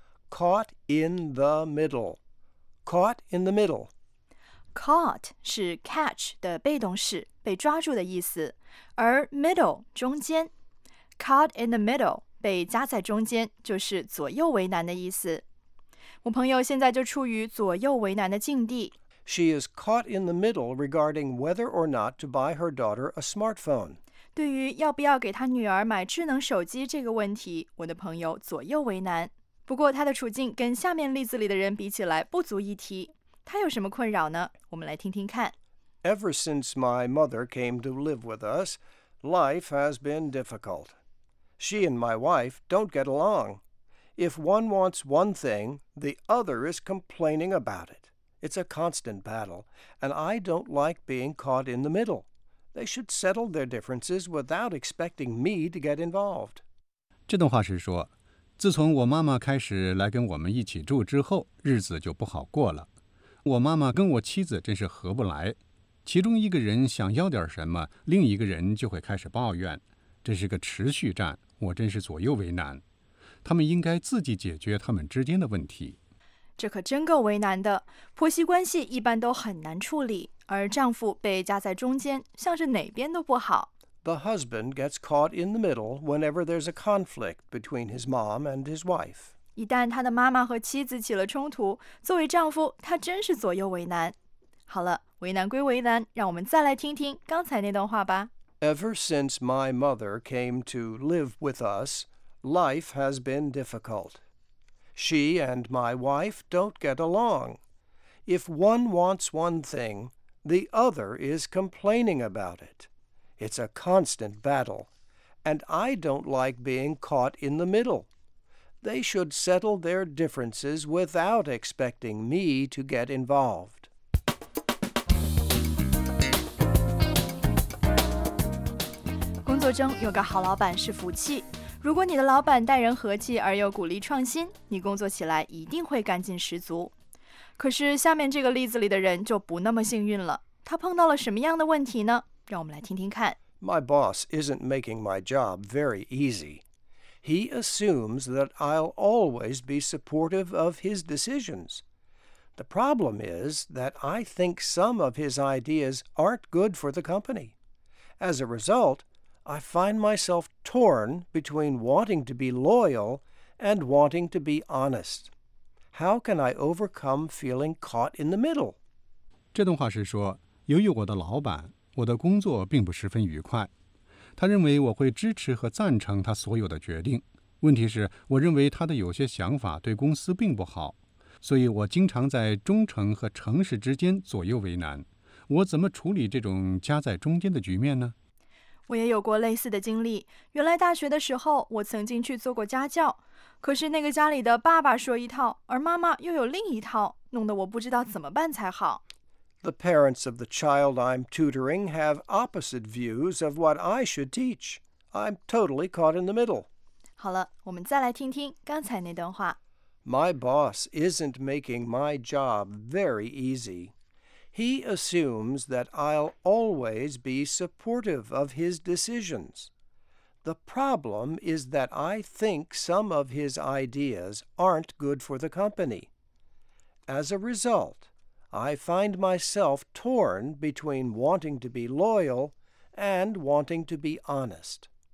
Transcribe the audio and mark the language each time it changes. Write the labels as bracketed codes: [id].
[en] Caught in the middle. Caught in the middle. [zh] Caught 是 catch 的被动式被抓住的意思而 middle 中间 [en] Caught in the middle. [zh] 被夹在中间就是左右为难的意思。我朋友现在就处于左右为难的境地。 [en] She is caught in the middle regarding whether or not to buy her daughter a smartphone. [zh] 对于要不要给她女儿买智能手机这个问题，我的朋友左右为难。不过她的处境跟下面例子里的人比起来不足一提。她有什么困扰呢？我们来听听看。 [en] Ever since my mother came to live with us, life has been difficult. She and my wife don't get along. If one wants one thing, the other is complaining about it. It's a constant battle, and I don't like being caught in the middle. They should settle their differences without expecting me to get involved. [zh] 这段话是说，自从我妈妈开始来跟我们一起住之后，日子就不好过了。我妈妈跟我妻子真是合不来。其中一个人想要点什么，另一个人就会开始抱怨。这是个持续战，我真是左右为难。他们应该自己解决他们之间的问题。这可真够为难的，婆媳关系一般都很难处理，而丈夫被夹在中间，像是哪边都不好。 [en] The husband gets caught in the middle whenever there's a conflict between his mom and his wife. [zh] 一旦他的妈妈和妻子起了冲突，作为丈夫，他真是左右为难。好了，为难归为难，让我们再来听听刚才那段话吧。 [en] Ever since my mother came to live with us, life has been difficult. She and my wife don't get along. If one wants one thing, the other is complaining about it. It's a constant battle, and I don't like being caught in the middle. They should settle their differences without expecting me to get involved. [zh] 工作中有个好老板是福气，如果你的老板待人和气而又鼓励创新，你工作起来一定会干劲十足。可是下面这个例子里的人就不那么幸运了，他碰到了什么样的问题呢？让我们来听听看。 [en] My boss isn't making my job very easy. He assumes that I'll always be supportive of his decisions. The problem is that I think some of his ideas aren't good for the company. As a resultI find myself torn between wanting to be loyal and wanting to be honest. How can I overcome feeling caught in the middle? [zh] 这段话是说，由于我的老板，我的工作并不十分愉快。他认为我会支持和赞成他所有的决定。问题是，我认为他的有些想法对公司并不好，所以我经常在忠诚和诚实之间左右为难。我怎么处理这种夹在中间的局面呢？我也有过类似的经历。原来大学的时候，我曾经去做过家教，可是那个家里的爸爸说一套，而妈妈又有另一套，弄得我不知道怎么办才好。 [en] The parents of the child I'm tutoring have opposite views of what I should teach. I'm totally caught in the middle. [zh] 好了，我们再来听听刚才那段话。 [en] My boss isn't making my job very easy. He assumes that I'll always be supportive of his decisions. The problem is that I think some of his ideas aren't good for the company. As a result, I find myself torn between wanting to be loyal and wanting to be honest.